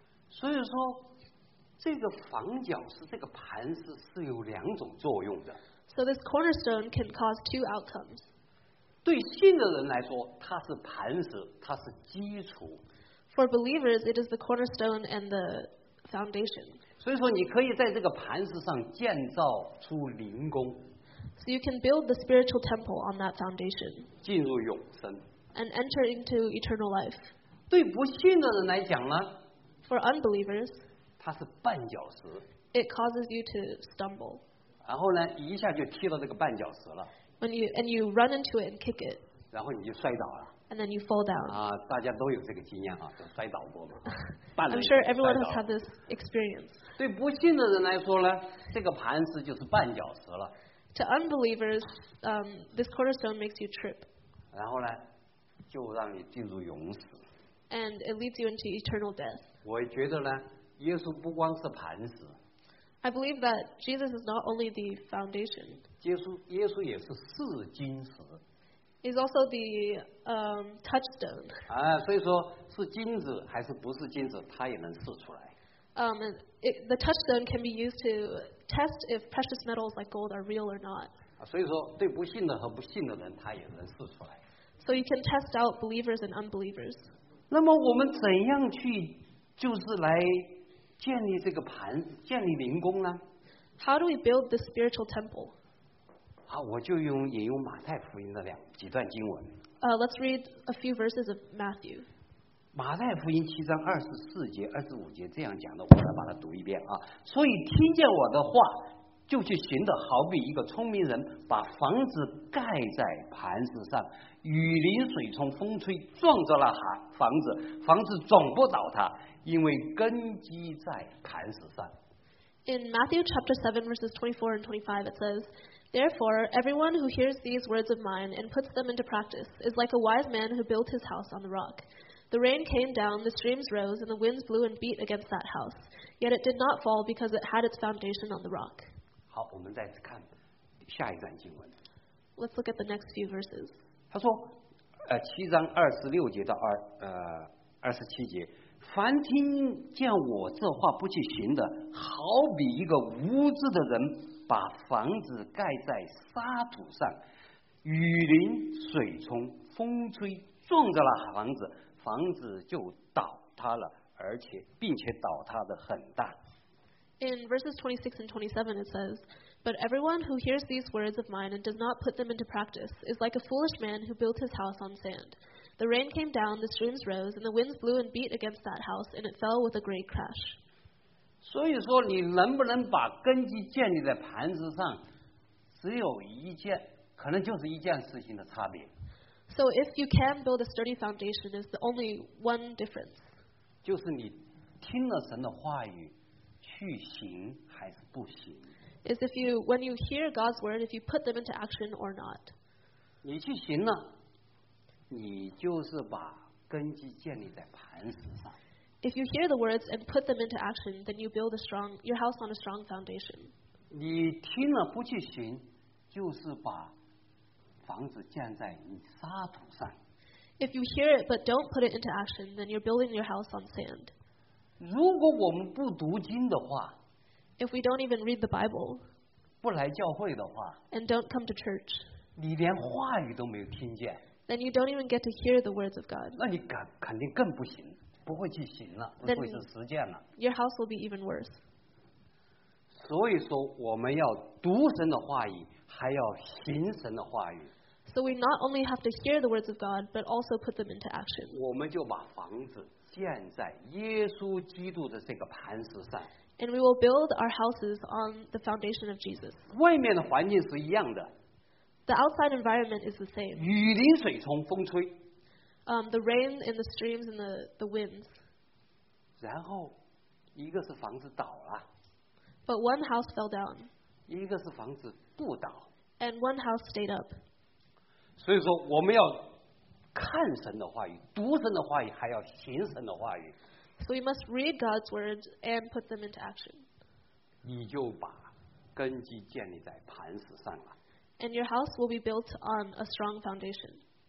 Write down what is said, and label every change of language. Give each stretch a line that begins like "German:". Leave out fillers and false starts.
Chinese: 所以说这个房角石这个磐石是有两种作用的。
English: So this cornerstone can cause two outcomes.
Chinese: 对信的人来说它是磐石它是基础。
English: For believers, it is the cornerstone and the foundation.
Chinese: 所以说你可以在这个磐石上建造出灵宫。
English: So you can build the spiritual temple on that foundation.
Chinese: 进入永生。
English: And enter into eternal life.
Chinese: 对不信的人来讲呢
English: For unbelievers,
Chinese: 它是绊脚石。
English: It causes you to stumble.
Chinese: 然后呢，一下就踢到这个绊脚石了。
English: When you run into it and kick it.
Chinese: 然后你就摔倒了。
English: And then you fall down.
Chinese: 啊，大家都有这个经验啊，都摔倒过嘛。
English: I'm sure everyone has had this experience.
Chinese: 对不信的人来说呢，这个磐石就是绊脚石了。
English: To unbelievers, this cornerstone makes you trip.
Chinese: 然后呢，就让你进入永死。
English: And it leads you into eternal death.
Chinese: 我觉得呢。耶稣不光是磐石。
English: I believe that Jesus is not only the foundation.
Chinese: 耶稣也是试金石。
English: He's also the touchstone.
Chinese: 啊，所以说是金子还是不是金子，他也能试出来。
English: The touchstone can be used to test if precious metals like gold are real or not.
Chinese: 所以说对不信的和不信的人他也能试出来。
English: So you can test out believers and unbelievers.
Chinese: 那么我们怎样去就是来建立这个盘建立灵宫呢
English: How do we build the spiritual temple?
Chinese: 好我就用引用马太福音的两几段经文。
English: Let's read a few verses of Matthew.
Chinese: 马太福音七章二十四节二十五节这样讲的我来把它读一遍啊。所以听见我的话就去寻的好比一个聪明人把房子盖在盘子上雨淋水冲风吹撞着了房子房子总不倒塌因为根基在磐石上。
English: In Matthew chapter 7 verses 24 and 25 it says, Therefore, everyone who hears these words of mine and puts them into practice is like a wise man who built his house on the rock. The rain came down, the streams rose, and the winds blew and beat against that house. Yet it did not fall because it had its foundation on the rock.
Chinese: 好我们再看下一段经文。
English: Let's look at the next few verses.
Chinese: 他说七章二十六节到二十七节凡听见我这话不去行的好比一个无知的人把房子盖在沙土上雨淋水冲风吹撞着了房子房子就倒塌了而且并且倒塌的很大。
English: In verses 26 and 27 it says, But everyone who hears these words of mine and does not put them into practice is like a foolish man who built his house on sand. The rain came down, the streams rose, and the winds blew and beat against that house, and it fell with a great crash.
Chinese: 所以说你能不能把根基建立在盘子上只有一件可能就是一件事情的差别。
English: So if you can build a sturdy foundation is the only one difference.
Chinese: 就是你听了神的话语去行还是不行
English: is if you, when you hear God's word, if you put them into action or not.
Chinese: 你去行了，你就是把根基建立在磐石上。
English: If you hear the words and put them into action, then you build a strong, your house on a strong foundation.
Chinese: 你听了不去行，就是把房子建在你沙土上。
English: If you hear it but don't put it into action, then you're building your house on sand.
Chinese: 如果我们不读经的话
English: If we don't even read the Bible
Chinese: 不来教会的话
English: And don't come to church
Chinese: 你连话语都没有听见
English: Then you don't even get to hear the words of God
Chinese: 那你肯定更不行不会去行了不会是实践了
English: Your house will be even worse
Chinese: 所以说我们要读神的话语还要行神的话语
English: So we not only have to hear the words of God but also put them into action
Chinese: 我们就把房子建在耶稣基督的这个磐石上。
English: And we will build our houses on the foundation of Jesus.
Chinese: 外面的环境是一样的。
English: The outside environment is the same.
Chinese: 雨淋水冲风吹。
English: The rain and the streams and the winds.
Chinese: 然后一个是房子倒了。
English: But one house fell down.
Chinese: 一个是房子不倒。
English: And one house stayed up.
Chinese: 所以说我们要看神的话语读神的话语还要行神的话语
English: So we must read God's words and put them into action
Chinese: 你就把根基建立在磐石上了
English: And your house will be built on a strong foundation